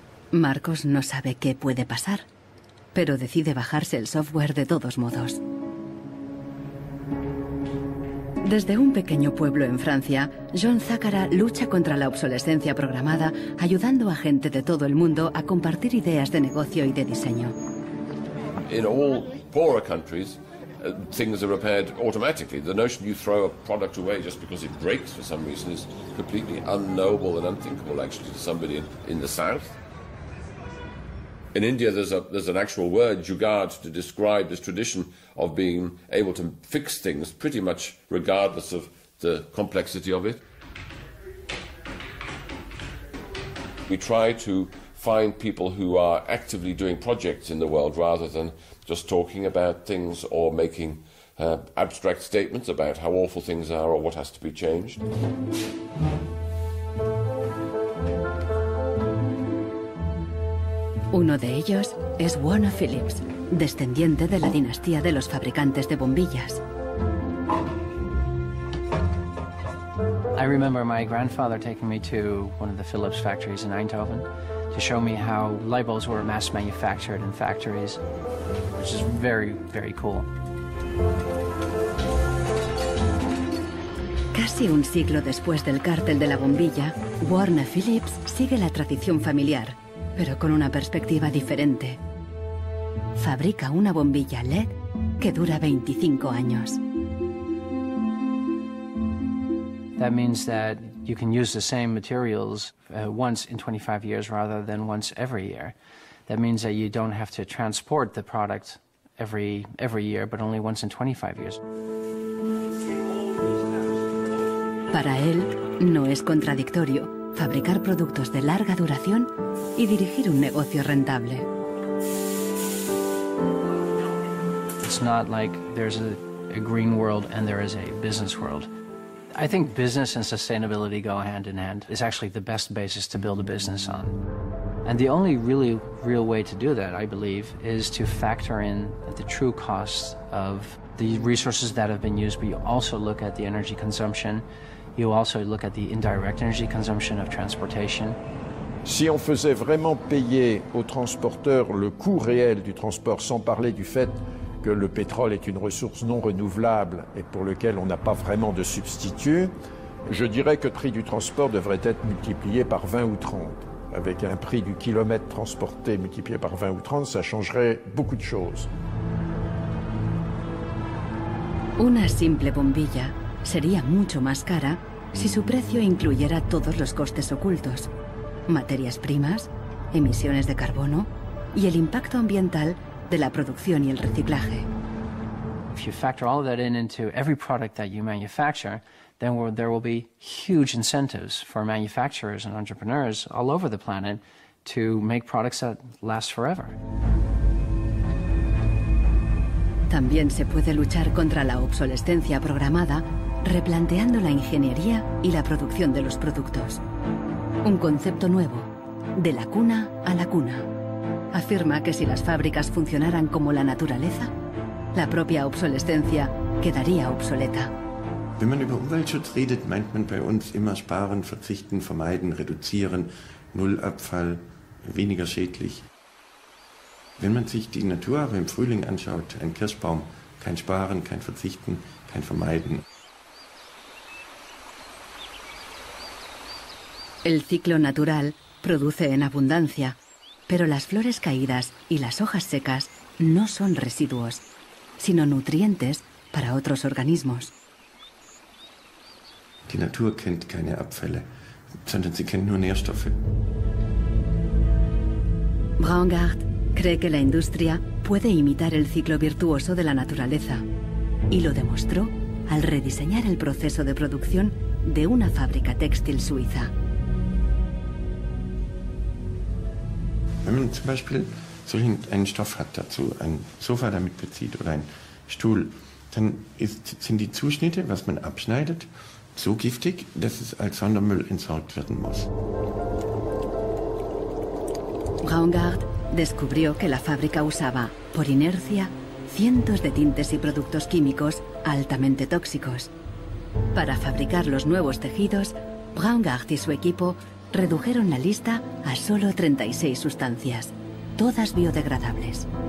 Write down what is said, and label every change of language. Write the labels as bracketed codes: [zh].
[es] Marcos no sabe qué puede pasar, pero decide bajarse el software de todos modos. Desde un pequeño pueblo en Francia, John Zakara lucha contra la obsolescencia programada, ayudando a gente de todo el mundo a compartir ideas de negocio y de diseño. [en] In all poorer countries, things are repaired automatically. The notion you throw a product away just because it breaks for some reason is completely unknowable and unthinkable, actually, to somebody in the south. In India, there's an actual word, jugaad, to describe this tradition of being able to fix things pretty much regardless of the complexity of it. We try to find people who are actively doing projects in the world rather than just talking about things or making abstract statements about how awful things are or what has to be changed. [es] Uno de ellos es Warner Phillips, descendiente de la dinastía de los fabricantes de bombillas. [en] I remember my grandfather taking me to one of the Phillips factories in Eindhoven to show me how light bulbs were mass manufactured in factories, which is very, very cool. [es] Casi un siglo después del cártel de la bombilla, Warner Phillips sigue la tradición familiar, pero con una perspectiva diferente. Fabrica una bombilla LED que dura 25 años. [en] That means that you can use the same materials once in 25 years rather than once every year. That means that you don't have to transport the product every year, but only once in 25 years. [es] Para él, no es contradictorio fabricar productos de larga duración y dirigir un negocio rentable. [en] It's not like there's a green world and there is a business world. I think business and sustainability go hand in hand. It's actually the best basis to build a business on. And the only really real way to do that, I believe, is to factor in the true cost of the resources that have been used, but you also look at the energy consumption. You also look at the indirect energy consumption of transportation. [fr] Si on faisait vraiment payer aux transporteurs le coût réel du transport, sans parler du fait que le pétrole est une ressource non renouvelable et pour lequel on n'a pas vraiment de substitut, je dirais que le prix du transport devrait être multiplié par 20 ou 30. Avec un prix du kilomètre transporté multiplié par 20 ou 30, ça changerait beaucoup de choses. [es] Una simple bombilla sería mucho más cara si su precio incluyera todos los costes ocultos: materias primas, emisiones de carbono y el impacto ambiental de la producción y el reciclaje. [en] If you factor all of that in into every product that you manufacture, then there will be huge incentives for manufacturers and entrepreneurs all over the planet to make products that last forever. [es] También se puede luchar contra la obsolescencia programada replanteando la ingeniería y la producción de los productos. Un concepto nuevo, de la cuna a la cuna. Afirma que si las fábricas funcionaran como la naturaleza, la propia obsolescencia quedaría obsoleta. [de] Wenn man über Umweltschutz redet, meint man bei uns immer sparen, verzichten, vermeiden, reduzieren, null Abfall, weniger schädlich. Wenn man sich die Natur aber im Frühling anschaut, ein Kirschbaum, kein Sparen, kein Verzichten, kein Vermeiden. [es] El ciclo natural produce en abundancia, pero las flores caídas y las hojas secas no son residuos, sino nutrientes para otros organismos. [de] Die Natur kennt keine Abfälle, sondern sie kennt nur Nährstoffe. [es] Braungart cree que la industria puede imitar el ciclo virtuoso de la naturaleza y lo demostró al rediseñar el proceso de producción de una fábrica textil suiza. [de] Wenn man zum Beispiel solchen einen Stoff hat dazu, ein Sofa damit bezieht oder ein Stuhl, dann sind die Zuschnitte, was man abschneidet, so giftig, dass es als Sondermüll entsorgt werden muss. [es] Braungart descubrió que la fábrica usaba, por inercia, cientos de tintes y productos químicos altamente tóxicos. Para fabricar los nuevos tejidos, Braungart y su equipo redujeron la lista a solo 36 sustancias, todas biodegradables.